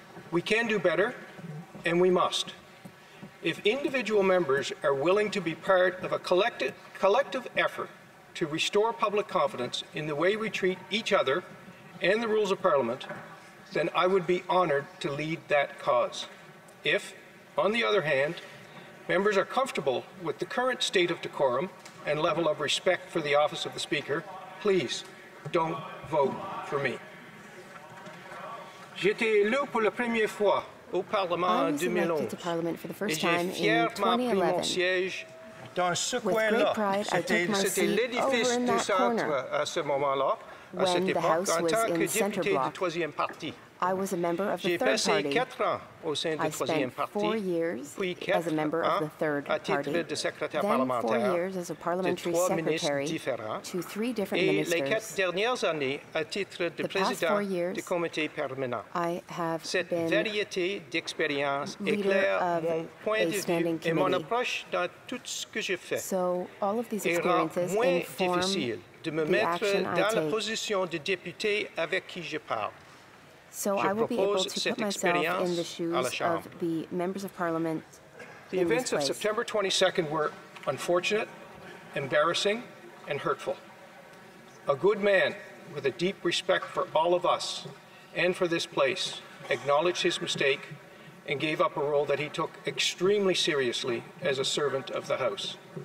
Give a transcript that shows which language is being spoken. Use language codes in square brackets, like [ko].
[en] We can do better, and we must. If individual members are willing to be part of a collective effort to restore public confidence in the way we treat each other and the rules of Parliament, then I would be honoured to lead that cause. If, on the other hand, members are comfortable with the current state of decorum and level of respect for the office of the Speaker, please don't vote for me. [fr] J'étais élu pour la première fois au Parlement en 2011. [en] I was elected to Parliament for the first time in 2011. [fr] Dans ce coin-là, c'était l'édifice du centre à ce moment-là, à cette époque, en tant que député du troisième parti. J'ai passé quatre ans au sein du troisième parti, puis quatre ans à titre de secrétaire parlementaire, de trois ministres différents, et les quatre dernières années à titre de président du comité permanent. Cette variété d'expériences éclaire mon point de vue et mon approche dans tout ce que je fais, et rend moins difficile de me mettre dans la position de député avec qui je parle. [en] So I will be able to put myself in the shoes of the members of Parliament. The events of September 22nd were unfortunate, embarrassing, and hurtful. A good man with a deep respect for all of us and for this place acknowledged his mistake and gave up a role that he took extremely seriously as a servant of the House.